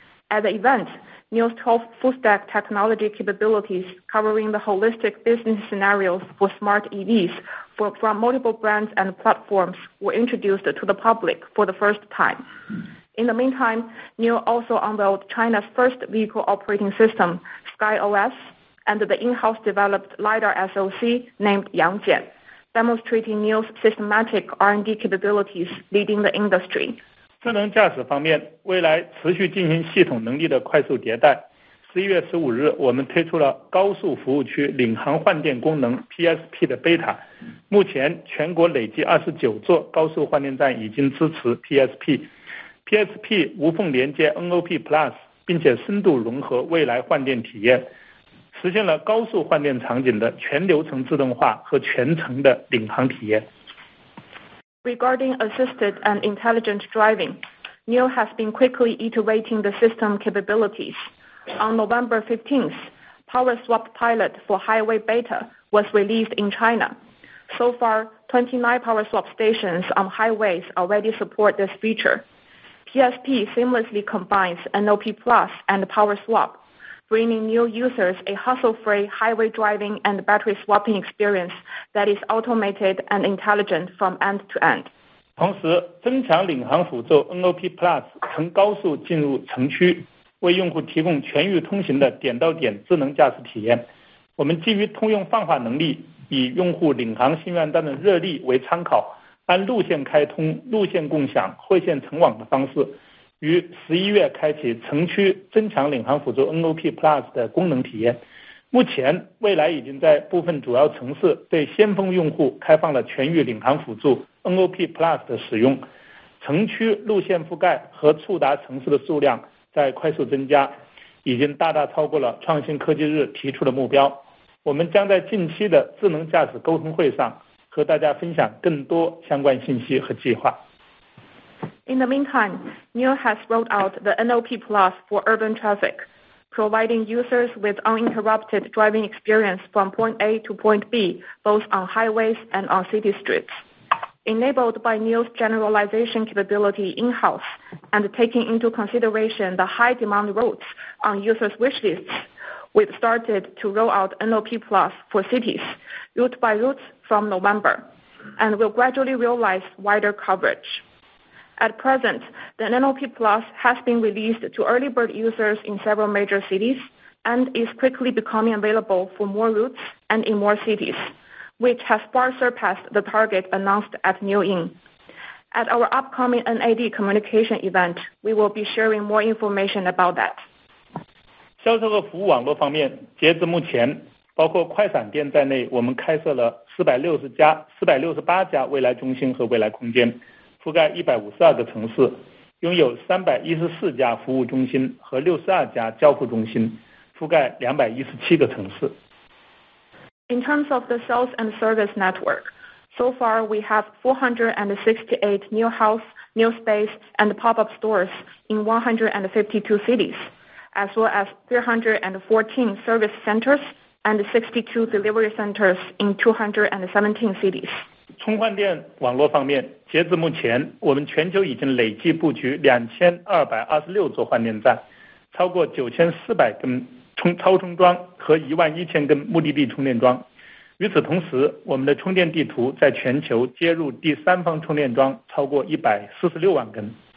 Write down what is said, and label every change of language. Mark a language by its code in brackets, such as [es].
[en] At the event, NIO's 12 full-stack technology capabilities covering the holistic business scenarios for smart EVs from multiple brands and platforms were introduced to the public for the first time. In the meantime, NIO also unveiled China's first vehicle operating system, SkyOS, and the in-house developed LiDAR SoC named Yangjian, demonstrating NIO's systematic R&D capabilities leading the industry. [zh] 智能驾驶方面，蔚来持续进行系统能力的快速迭代。 11月15日，我们推出了高速服务区领航换电功能 PSP 的 beta。目前，全国累计29座高速换电站已经支持 PSP。 PSP 无缝连接 NOP Plus， 并且深度融合蔚来换电体验，实现了高速换电场景的全流程自动化和全程的领航体验。 [en] Regarding assisted and intelligent driving, NIO has been quickly iterating the system capabilities. On November 15th, Power Swap Pilot for Highway Beta was released in China. So far, 29 Power Swap stations on highways already support this feature. PSP seamlessly combines NOP Plus and Power Swap, bringing NIO users a hassle-free highway driving and battery swapping experience that is automated and intelligent from end to end. [zh] 同时，增强领航辅助 NOP Plus 从高速进入城区，为用户提供全域通行的点到点智能驾驶体验。我们基于通用泛化能力，以用户领航心愿单的热力为参考，按路线开通、路线共享、汇线成网的方式，于11月开启城区增强领航辅助 NOP Plus 的功能体验。目前，蔚来已经在部分主要城市对先锋用户开放了全域领航辅助 NOP Plus 的使用，城区路线覆盖和触达城市的数量在快速增加，已经大大超过了创新科技日提出的目标。我们将在近期的智能驾驶沟通会上和大家分享更多相关信息和计划。 [en] In the meantime, NIO has rolled out the NOP Plus for urban traffic, providing users with uninterrupted driving experience from point A to point B, both on highways and on city streets. Enabled by NIO's generalization capability in-house and taking into consideration the high-demand routes on users' wish lists, we've started to roll out NOP Plus for cities, route by route from November, and will gradually realize wider coverage. At present, the NOP Plus has been released to early bird users in several major cities and is quickly becoming available for more routes and in more cities, which has far surpassed the target announced at Nio Inc. At our upcoming NAD communication event, we will be sharing more information about that. [zh] 销售和服务网络方面，截至目前，包括快闪店在内，我们开设了468家蔚来中心和蔚来空间，覆盖152个城市，拥有314家服务中心和62家交付中心，覆盖217个城市。 [en] In terms of the sales and service network, so far we have 468 new house, new space, and pop-up stores in 152 cities, as well as 314 service centers and 62 delivery centers in 217 cities. [zh] 充换电网络方面，截至目前，我们全球已经累计布局2226座换电站，超过9400根超充桩和11000根目的地充电桩。与此同时，我们的充电地图在全球接入第三方充电桩超过146万根。